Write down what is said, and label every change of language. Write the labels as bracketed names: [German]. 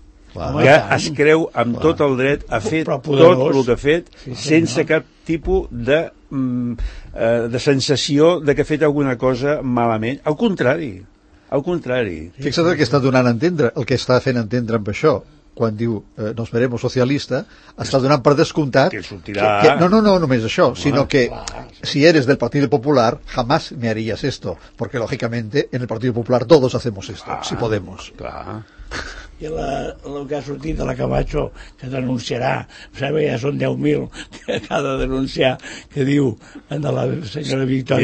[Catalan] Clar, que es creu amb tot el dret a fer tot el que ha fet, sí, sense cap tipus de sensació de que ha fet alguna cosa malament. Al contrari. Sí. Fixa't el que està donant a entendre, el que està fent entendre amb això. Quan diu [Spanish] "nos veremos, socialista", [Catalan] està donant per descomptat que sortirà... Que, no només això, sinó que [Spanish] si eres del Partido Popular, jamás me harías esto, porque lógicamente en el Partido Popular todos hacemos esto, si podemos. [Catalan] Clar. I el que ha sortit de la Camacho, que denunciarà, sabeu, ja són 10.000 que ha de denunciar, que diu de la senyora Victòria...